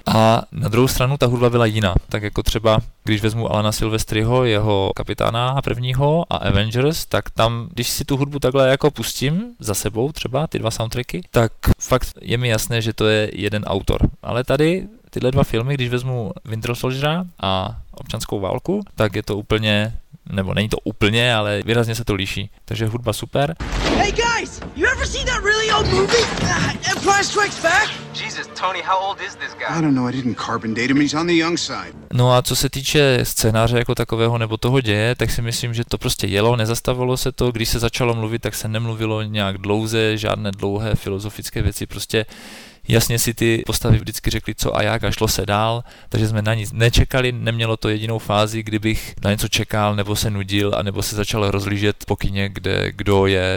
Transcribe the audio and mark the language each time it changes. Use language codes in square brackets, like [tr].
[cs] A na druhou stranu ta hudba byla jiná, tak jako třeba když vezmu Alana Silvestriho, jeho kapitána prvního a Avengers, tak tam, když si tu hudbu takhle jako pustím za sebou třeba, ty dva soundtracky, tak fakt je mi jasné, že to je jeden autor. Ale tady tyhle dva filmy, když vezmu Winter Soldiera a Občanskou válku, tak je to úplně, nebo není to úplně, ale výrazně se to liší. Takže hudba super. [en] Hey guys, you ever seen that really old movie? Empire Strikes Back? Jesus, Tony, how old is this guy? I don't know, I didn't carbon date him, he's on the young side. [cs] No a co se týče scénáře jako takového nebo toho děje, tak si myslím, že to prostě jelo, nezastavilo se to, když se začalo mluvit, tak se nemluvilo nějak dlouze, žádné dlouhé filozofické věci, prostě jasně si ty postavy vždycky řekly, co a jak, a šlo se dál, takže jsme na nic nečekali, nemělo to jedinou fázi, kdybych na něco čekal, nebo se nudil, anebo se začal rozlížet po kině, kde kdo je.